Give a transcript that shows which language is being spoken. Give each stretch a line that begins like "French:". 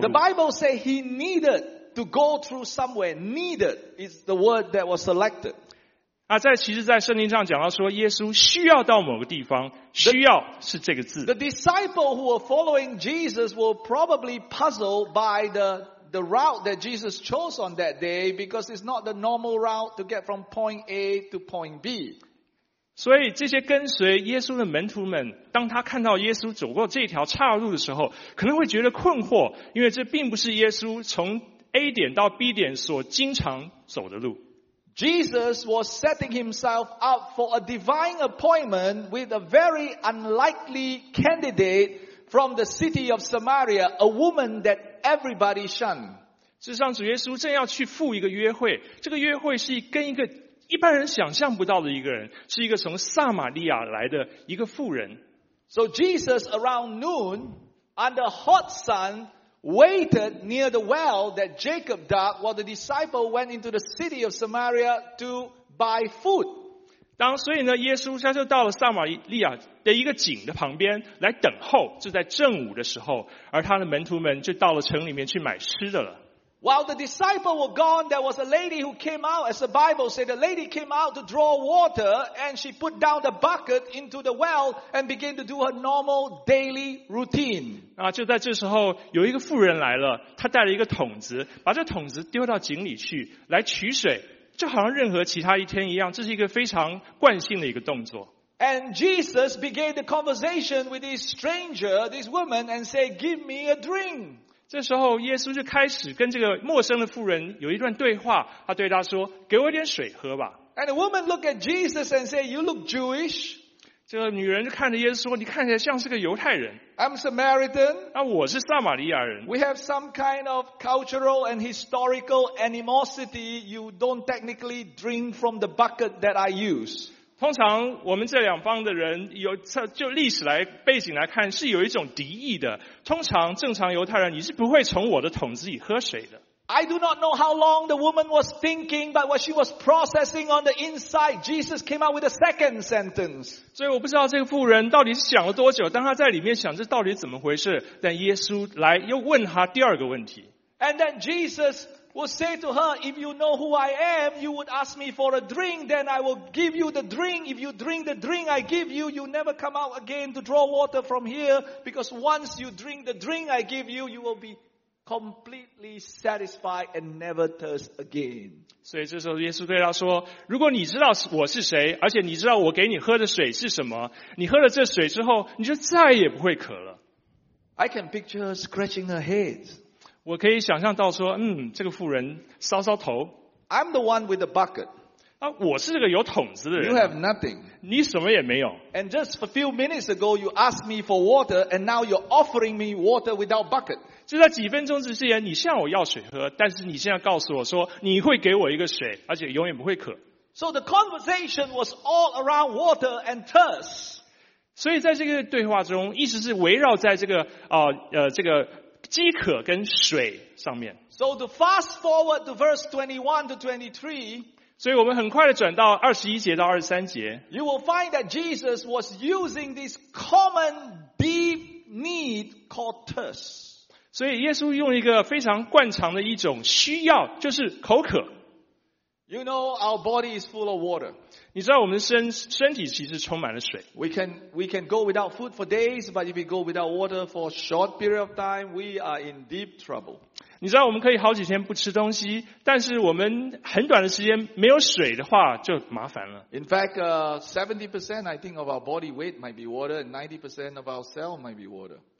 English: The Bible says he needed to go through somewhere. Needed is the word that was selected.
Chinese: 啊、其实在圣经上讲到说耶稣需要到某个地方，需要是这个字。
English: The disciple who were following Jesus were probably puzzled by the route that Jesus chose on that day because it's not the normal route to get from point A to point B.
Chinese: 所以这些跟随耶稣的门徒们当他看到耶稣走过这条岔路的时候可能会觉得困惑，因为这并不是耶稣从 A 点到 B 点所经常走的路。
English: Jesus was setting himself up for a divine appointment with a very unlikely candidate from the city of Samaria, a woman that everybody shunned.
Chinese: 事实上主耶稣正要去赴一个约会，这个约会是跟一个一般人想象不到的一个人，是一个从撒玛利亚来的一个妇人。
English: So Jesus around noon, under hot sun,waited near the well that Jacob dug while the disciple went into the city of Samaria to buy food.
Chinese: 当所以呢耶稣他就到了撒玛利亚的一个井的旁边来等候，就在正午的时候，而他的门徒们就到了城里面去买吃的了。
English: While the disciple were gone, there was a lady who came out, as the Bible said, the lady came out to draw water, and she put down the bucket into the well and began to do her normal daily routine.
Chinese: 啊，就在这时候，有一个妇人来了，她带了一个桶子，把这桶子丢到井里去，来取水，就好像任何其他一天一样，这是一个非常惯性的一个动作。
English: And Jesus began the conversation with this stranger, this woman, and said, "Give me a drink."
Chinese: 这时候耶稣就开始跟这个陌生的妇人有一段对话，他对他说给我一点水喝吧。
English: And the woman looked at Jesus and said, "You look Jewish."
Chinese: 这个女人就看着耶稣说你看起来像是个犹太人。
English: I'm Samaritan.
Chinese: 那我是撒玛利亚人。
English: We have some kind of cultural and historical animosity. You don't technically drink from the bucket that I use.
Chinese: 通常我们这两方的人有就历史来背景来看是有一种敌意的，通常正常犹太人你是不会从我的桶子里喝水的。
English: I do not know how long the woman was thinking, but what she was processing on the inside, Jesus came out with a second sentence.
Chinese: 所以我不知道这个妇人到底是想了多久，当她在里面想这到底怎么回事，但耶稣来又问她第二个问题。
English: And then JesusWill say to her, "If you know who I am, you would ask me for a drink. Then I will give you the drink. If you drink the drink I give you, you never come out again to draw water from here. Because once you drink the drink I give you, you will be completely satisfied and never thirst again."
Chinese: 所以这时候耶稣对他说，如果你知道我是谁，而且你知道我给你喝的水是什么，你喝了这水之后，你就再也不会渴了。
English: I can picture scratching her head.
Chinese: 我可以想象到说，嗯，这个妇人搔搔头。
English: I'm the one with the bucket.
Chinese: 啊，我是这个有桶子的人。
English: You have nothing.
Chinese: 你什么也没有。
English: And just a few minutes ago, you asked me for water, and now you're offering me water without bucket.
Chinese: 就在几分钟之前，你向我要水喝，但是你现在告诉我说，你会给我一个水，而且永远不会渴。
English: So the conversation was all around water and thirst.
Chinese: 所以在这个对话中，意思是围绕在这个这个饥渴跟水上面。
English: So to fast forward to verse 21 to 23,
Chinese: 所以我们很快的转到21节到23节。
English: You will find that Jesus was using this common deep need called thirst.
Chinese: 所以耶稣用一个非常惯常的一种需要，就是口渴。
English: You know our body is full of water.
Chinese: 你知道我们的身体其实充满了水。
English: We can go without food for days, but if we go without water for a short period of time, we are in deep trouble.
Chinese: 你知道我们可以好几天不吃东西，但是我们很短的时间没有水的话就麻烦了。
English: In fact, 70% I think of our body weight might be water, and 90% of our cell might be water.